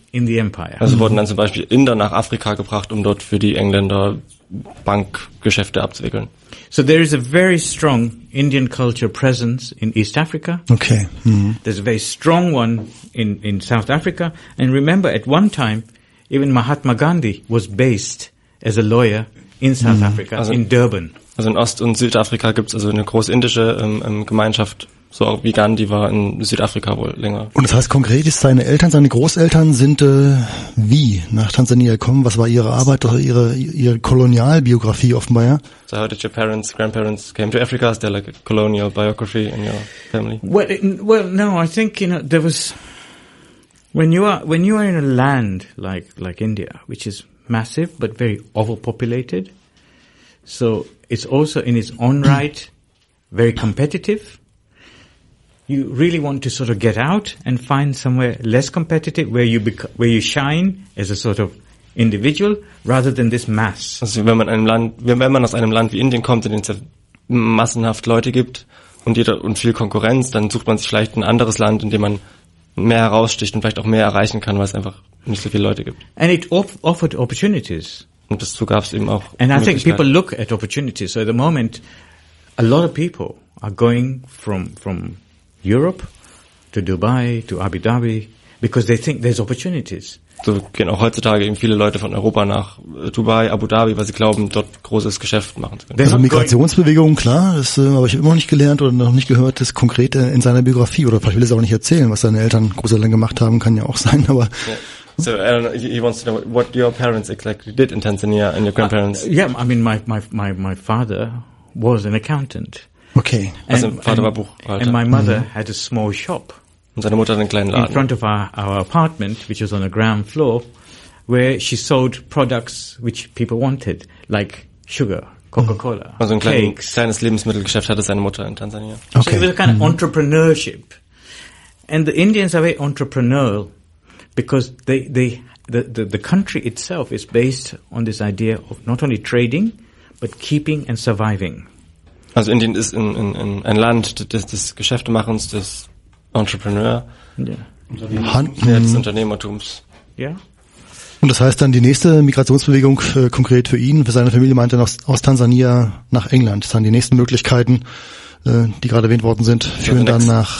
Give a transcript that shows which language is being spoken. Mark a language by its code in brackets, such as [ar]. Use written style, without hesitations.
[en] in the empire. [de] Also wurden dann zum Beispiel Inder nach Afrika gebracht, um dort für die Engländer Bankgeschäfte abzuwickeln. [en] So there is a very strong Indian culture presence in East Africa. Okay. Mm-hmm. There's a very strong one in South Africa. And remember, at one time, even Mahatma Gandhi was based as a lawyer in South Africa, also, in Durban. [de] Also in Ost- und Südafrika gibt's also eine großindische Gemeinschaft, so auch wie Gandhi war in Südafrika wohl länger. Und das heißt konkret, ist seine Eltern, seine Großeltern sind wie nach Tansania gekommen? Was war ihre Arbeit oder ihre Kolonialbiografie offenbar? Ja? [en] So how did your parents, grandparents came to Africa? Is there like a colonial biography in your family? Well, no, I think, you know, there was, when you are in a land like India, which is massive but very overpopulated, so it's also in its own right very competitive. You really want to sort of get out and find somewhere less competitive where you shine as a sort of individual rather than this mass. [de] Also wenn man aus einem Land wie Indien kommt, in dem es massenhaft Leute gibt und viel Konkurrenz, dann sucht man sich vielleicht ein anderes Land, in dem man mehr heraussticht und vielleicht auch mehr erreichen kann, weil es einfach nicht so viele Leute gibt. [en] And it offered opportunities. [de] Und dazu gab es eben auch. [en] And I think people look at opportunities. So at the moment, a lot of people are going from Europe to Dubai to Abu Dhabi because they think there's opportunities. [de] So gehen auch heutzutage eben viele Leute von Europa nach Dubai, Abu Dhabi, weil sie glauben, dort großes Geschäft machen zu können. Also Migrationsbewegungen, klar, das habe ich immer noch nicht gelernt oder noch nicht gehört, das konkret in seiner Biografie. Oder vielleicht will es auch nicht erzählen, was seine Eltern großartig gemacht haben, kann ja auch sein, aber. [en] So, I don't know, he wants to know what your parents exactly did in Tanzania and your grandparents. Yeah, I mean, my father was an accountant. Okay. [de] Also, Vater war Buchhalter. [en] And my mother had a small shop. [de] Und seine Mutter hat einen kleinen Laden. [en] In front of our apartment, which was on the ground floor, where she sold products which people wanted, like sugar, Coca-Cola, cakes. [de] Also ein kleines Lebensmittelgeschäft hatte seine Mutter in Tansania. [en] Okay. So it was a kind of entrepreneurship. And the Indians are very entrepreneurial because the country itself is based on this idea of not only trading, but keeping and surviving. [de] Also Indien ist in ein Land des Geschäftemachens, des Entrepreneur, [en] yeah. [de] Des Unternehmertums. [en] Yeah. [de] Und das heißt dann, die nächste Migrationsbewegung konkret für ihn, für seine Familie, meinte aus Tansania nach England. Das sind die nächsten Möglichkeiten, die gerade erwähnt worden sind, führen dann nach...